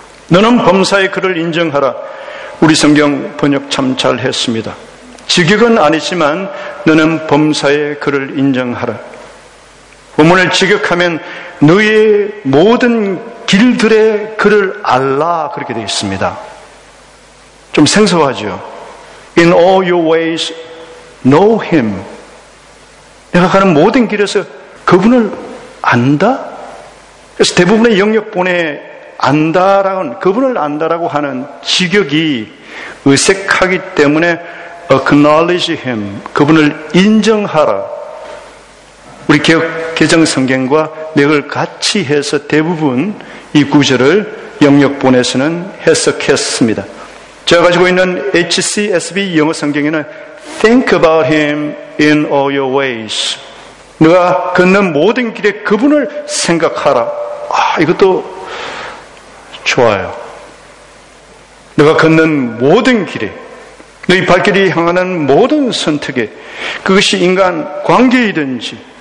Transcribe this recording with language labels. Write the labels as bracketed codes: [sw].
[ko] 너는 범사에 그를 인정하라. 우리 성경 번역 참 잘했습니다. 직역은 아니지만 너는 범사에 그를 인정하라. 본문을 직역하면 너의 모든 길들에 그를 알라 그렇게 되어 있습니다. 좀 생소하죠. [en] In all your ways, know him. [ko] 내가 가는 모든 길에서 그분을 안다? 그래서 대부분의 영역본에 안다라는 그분을 안다라고 하는 직역이 어색하기 때문에 [en] acknowledge him, [ko] 그분을 인정하라. 우리 개혁 개정 성경과 맥을 같이 해서 대부분 이 구절을 영역본에서는 해석했습니다. 제가 가지고 있는 HCSB 영어 성경에는 [en] Think about him in all your ways. [ko] 네가 걷는 모든 길에 그분을 생각하라. 이것도 좋아요. 네가 걷는 모든 길에 너희 발길이 향하는 모든 선택에 그것이 인간 관계이든지